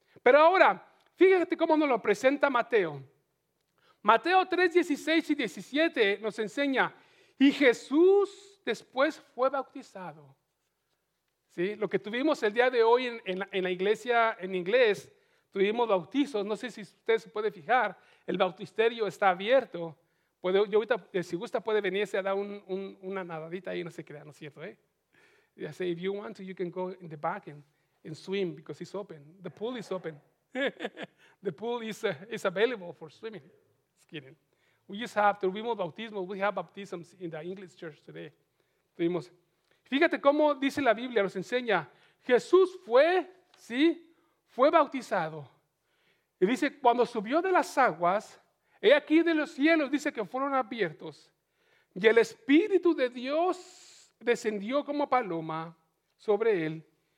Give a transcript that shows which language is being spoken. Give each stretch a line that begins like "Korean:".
Spanish: Pero ahora, fíjate cómo nos lo presenta Mateo. Mateo 3, 16 y 17 nos enseña, y Jesús después fue bautizado. ¿Sí? Lo que tuvimos el día de hoy en la iglesia en inglés, tuvimos bautizos, no sé si usted se puede fijar, el bautisterio está abierto. Yo ahorita, si gusta, puede venirse a dar una nadadita ahí, no se crea, ¿no es cierto? Ya sé,
English: if you want to, you can go in the back and swim because it's open. The pool is open. The pool is available for swimming. Just kidding.
Spanish: Tuvimos bautismos.
English: We have baptisms in the English church today.
Spanish: Tuvimos. Fíjate cómo dice la Biblia, nos enseña. Jesús fue, ¿sí? Fue bautizado. Y dice, cuando subió de las aguas, he aquí de los cielos, dice que fueron abiertos. Y el Espíritu de Dios descendió como paloma sobre él.